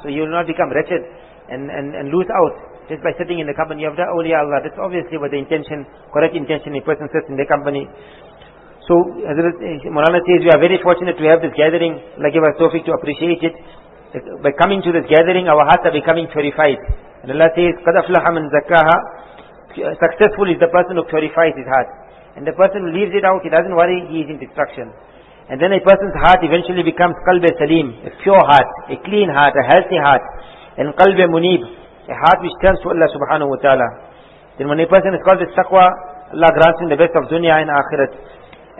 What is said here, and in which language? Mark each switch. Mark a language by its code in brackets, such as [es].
[en] So he will not become wretched and lose out just by sitting in the company of the awliya Allah. That's obviously what the intention, correct intention, a person sits in the company. So Hazrat Mawlana says, we are very fortunate to have this gathering. Allah give us tawfiq to appreciate it. By coming to this gathering, our hearts are becoming purified. And Allah says, [ar] قَدْ أَفْلَحَ مَنْ زَكَّاهَا. [en] Successful is the person who purifies his heart. And the person who leaves it out, he doesn't worry, he is in destruction. And then a person's heart eventually becomes qalb salim, a pure heart, a clean heart, a healthy heart. And qalb munib, a heart which turns to Allah subhanahu wa ta'ala. Then when a person is called the taqwa, Allah grants him the best of dunya and akhirat.